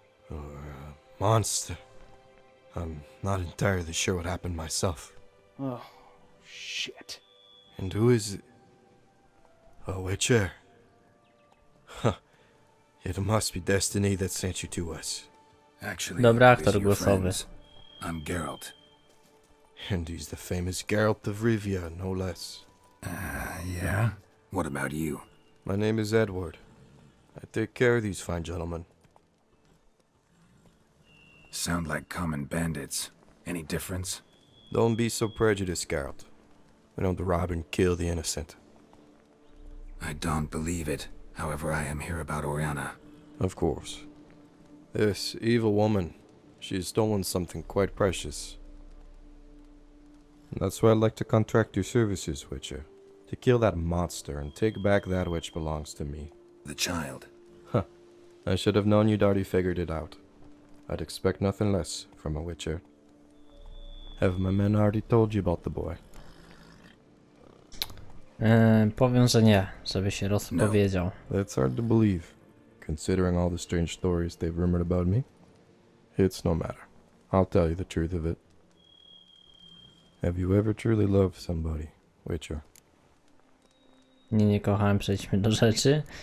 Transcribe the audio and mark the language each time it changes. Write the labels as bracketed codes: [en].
[en] Or a monster. I'm not entirely sure what happened myself. Oh, shit. And who is it? A witcher? Huh. It must be destiny that sent you to us. Actually, [pl] dobra, aktor głosowy. [en] I'm Geralt. And he's the famous Geralt of Rivia, no less. Yeah? What about you? My name is Edward. I take care of these fine gentlemen. Sound like common bandits. Any difference? Don't be so prejudiced, Geralt. We don't rob and kill the innocent. I don't believe it. However, I am here about Orianna. Of course. This evil woman, she has stolen something quite precious. And that's why I'd like to contract your services, Witcher. To kill that monster and take back that which belongs to me. The child. Huh. I should have known you'd already figured it out. I'd expect nothing less from a Witcher. Have my men already told you about the boy? [pl] Powiem, że nie, żeby się rozpowiedział. [en] No. That's hard to believe, considering all the strange stories they've rumored about me. It's no matter. I'll tell you the truth of it. Have you ever truly loved somebody, Witcher? [pl] Nie kochałem, przejdźmy do rzeczy.